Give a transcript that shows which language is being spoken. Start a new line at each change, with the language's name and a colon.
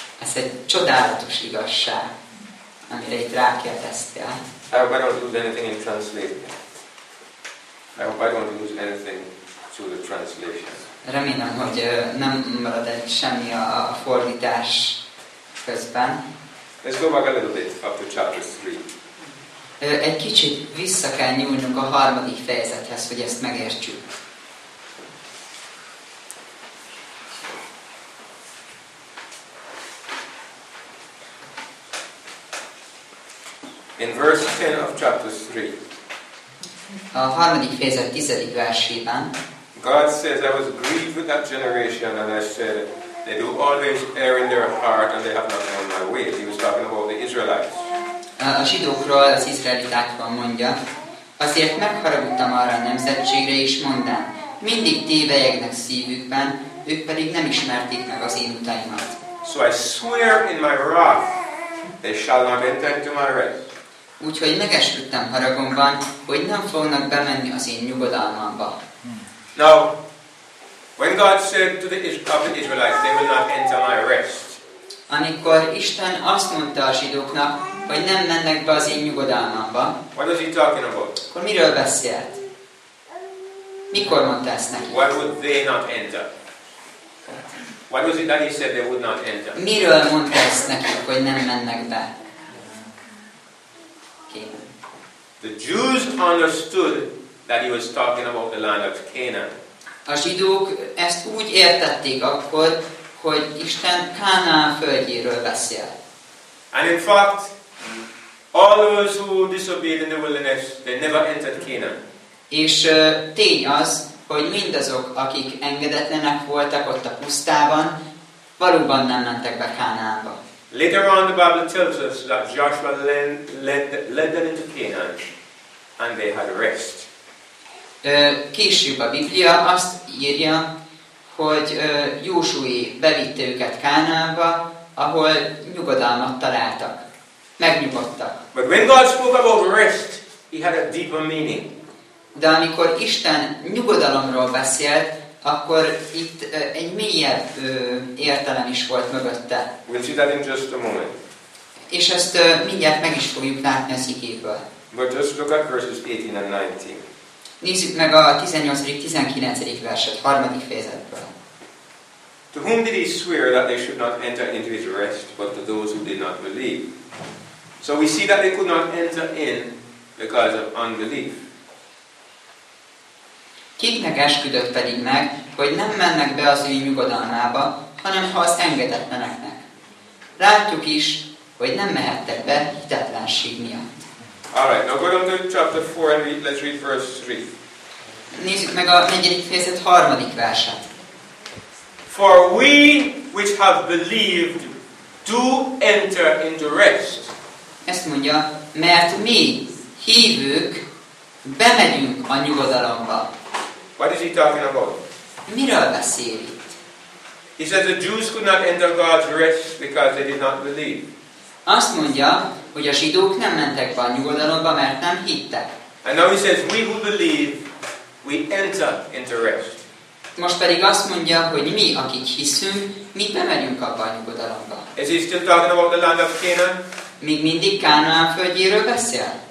Hungarian: Ez egy csodálatos igazság. Amire itt rá kell tesztel.
English: I hope I don't lose anything in translation. I hope I don't lose anything to the translation.
Hungarian: Remélem, hogy nem marad egy semmi a fordítás közben.
English: Let's go back a little bit up to chapter 3.
Hungarian: Egy kicsit vissza kell nyúlnunk a harmadik fejezethez, hogy ezt megértsük.
English: In verse 10 of chapter 3.
Hungarian: A harmadik fejezet 10. versében.
English: God says, I was grieved with that generation, and I said, they do always err in their heart, and they have not known my ways. He was talking about the Israelites.
Hungarian: A zsidókról, az izraelitákról mondja, azért megharagudtam arra a nemzetségre, és mondám, mindig tévelyegnek szívükben, ők pedig nem ismerték meg az én utaimat.
English: So I swear in my wrath, they shall not enter into my rest.
Hungarian: Úgyhogy megesküdtem haragomban, hogy nem fognak bemenni az én nyugodalmamba.
English: Now, when God said to the Israelites, they will not enter my rest.
Hungarian: Amikor Isten azt mondta a zsidóknak, hogy nem mennek be az én nyugodalmamba.
English: What was he talking about?
Hungarian: Akkor miről beszélt? Mikor mondta ezt neki?
English: Why would they not enter? What was it that he said they would not enter?
Hungarian: Miről mondta ezt nekik, hogy nem mennek be?
English: The Jews understood that he was talking about the land of Canaan.
Hungarian: A zsidók ezt úgy értették akkor, hogy Isten Kánaán földjéről beszél.
English: And in fact, all those who disobeyed in the wilderness, they never entered Canaan.
Hungarian: És tény az, hogy mindazok, akik engedetlenek voltak ott a pusztában, valóban nem mentek be Kánaánba.
English: Later on, the Bible tells us that Joshua led them into Canaan, and they had rest.
Hungarian: Később a Biblia azt írja, hogy Józsué bevitte őket Kánaánba, ahol nyugodalmat találtak. Megnyugodtak.
English: But when God spoke about rest, he had a deeper meaning.
Hungarian: De amikor Isten nyugodalomról beszélt, akkor itt egy mélyebb értelem is volt mögötte.
English: We'll see that in just a moment.
Hungarian: És ezt mindjárt meg is fogjuk látni az igéből.
English: But just look at verses 18 and 19.
Hungarian: Nézzük meg a 18.-19. verset, harmadik fejezetből.
English: To whom did he swear that they should not enter into his rest, but to those who did not believe? So we see that they could not enter in because of unbelief.
Hungarian: Kiknek esküdött pedig meg, hogy nem mennek be az ő nyugodalmába, hanem ha az engedetleneknek. Látjuk is, hogy nem mehettek be hitetlenség miatt.
English: Alright, now go down to chapter 4 and read, let's read verse 3.
Hungarian: Nézzük meg a 4. fejezet 3. verset.
English: For we which have believed do enter into rest.
Hungarian: Ezt mondja, mert mi hívők bemegyünk a nyugodalomba.
English: What is he talking about?
Hungarian: Miről beszél itt?
English: He says the Jews could not enter God's rest because they did not believe.
Hungarian: Azt mondja, hogy a zsidók nem mentek be a nyugodalomba, mert nem hittek.
English: And now he says, we who believe, we enter into rest.
Hungarian: Most pedig azt mondja, hogy mi, akik hiszünk, mi bemegyünk abba a nyugodalomba.
English: Is he still talking about the land of Canaan?
Hungarian: Még mindig Kánaán földjéről beszél?